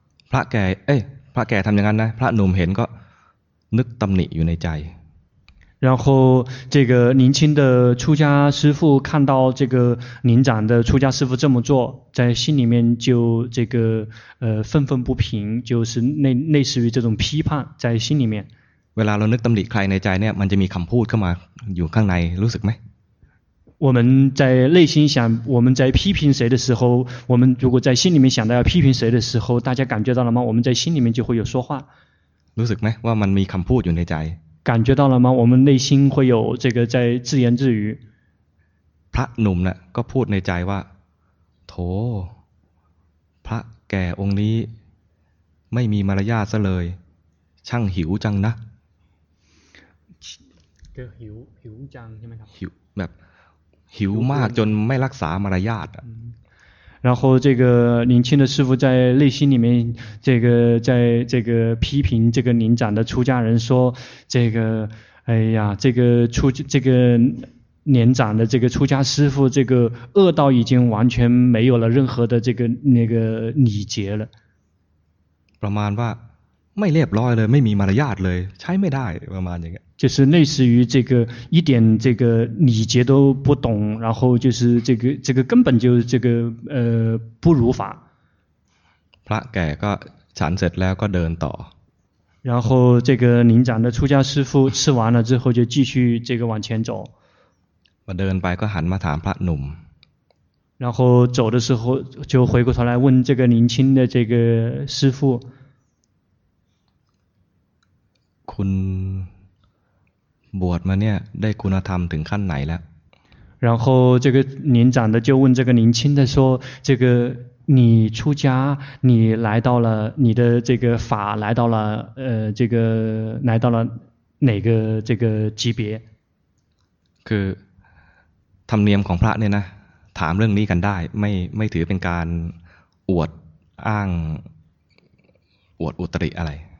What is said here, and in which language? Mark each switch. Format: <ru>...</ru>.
<th>พระแก่พระแก่ทำอย่างนั้นนะพระหนุ่มเห็นก็นึกตำหนิอยู่ในใจ</th> <zh>然后这个年轻的出家师父看到这个年长的出家师父这么做，在心里面就这个愤愤不平，就是类似于这种批判在心里面。</zh> <th>เวลาเรานึกตำหนิใครในใจเนี่ยมันจะมีคำพูดเข้ามาอยู่ข้างในรู้สึกไหม？</th> <zh>我们在内心想我们在批评谁的时候，我们如果在心里面想到要批评谁的时候，大家感觉到了吗？我们在心里面就会有说话。</zh> <th>รู้สึกไหมว่ามันมีคำพูดอยู่ในใจ？</th> <zh>感觉到了吗？我们内心会有这个在自言自语。</zh> <th>พระหนุ่มน่ะก็พูดในใจว่าโถพระแก่องค์นี้ไม่มีมารยาทซะเลยช่างหิวจังนะ ก็หิวจังใช่ไหมครับ หิวแบบหิวมากจนไม่รักษามารยาท</th> <zh>然后这个年轻的师父在内心里面这个在这个批评这个年长的出家人说这个哎呀这个出这个年长的这个出家师父这个恶道已经完全没有了任何的这个那个礼节了</zh> <th>ประมาณว่าไม่เรียบร้อยเลยไม่มีมารยาทเลยใช้ไม่ได้ประมาณอย่างเงี้ย</th> <zh>就是类似于这个一点这个礼节都不懂然后就是这个根本就这个不如法</zh> <th>พระแก่ก็ฉันเสร็จแล้วก็เดินต่อ</th> <zh>然后这个年长的出家师父吃完了之后就继续这个往前走</zh> <th>มาเดินไปก็หันมาถามพระหนุ่ม</th> <zh>然后走的时候就回过头来问这个年轻的这个师父</zh> <th>คุณบวชมาเนี่ยได้คุณธรรมถึงขั้นไหนแล้ว</th> <zh>然后这个年长的就问这个年轻的说这个你出家你来到了你的这个法来到了这个来到了哪个这个级别</zh> <th>คือธรรมเนียมของพระเนี่ยนะถามเรื่องนี้กันได้ไม่ถือเป็นการอวดอ้างอวดอุตริอะไร</th>